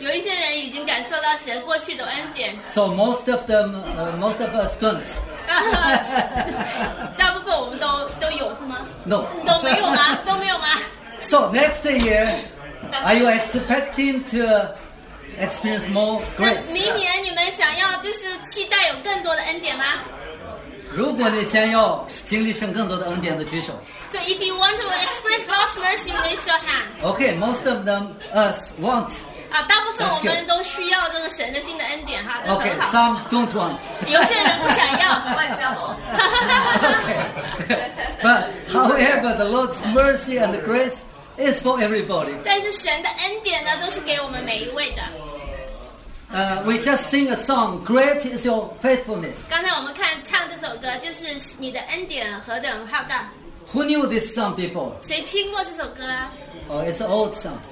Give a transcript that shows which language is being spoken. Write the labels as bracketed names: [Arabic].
[Chinese] 有一些人已经感受到神过去的恩典。 [English] So most of them, most of us don't. [Chinese] 大部分我们都有是吗 [English] ？No. [Chinese] 都没有吗？都没有吗 [English] ？So next year, are you expecting to experience more grace? [Chinese] 明年你们想要就是期待有更多的恩典吗？如果你想要经历神更多的恩典的举手。 [English] So if you want to express God's mercy, raise your hand. Okay, most of them us want. [Chinese] 大部分我们都需要这个神的新的恩典哈。 [English] Okay, some don't want. [Chinese] 有些人不想要。 [English] Okay. But however, the Lord's mercy and the grace is for everybody. [Chinese] 但是神的恩典呢，都是给我们每一位的。 [English] We just sing a song. Great is your faithfulness. [Chinese] 刚才我们看唱这首歌，就是你的恩典何等浩大。 [English] Who knew this song before? [Chinese] 谁听过这首歌啊？ [English] Oh, it's an old song.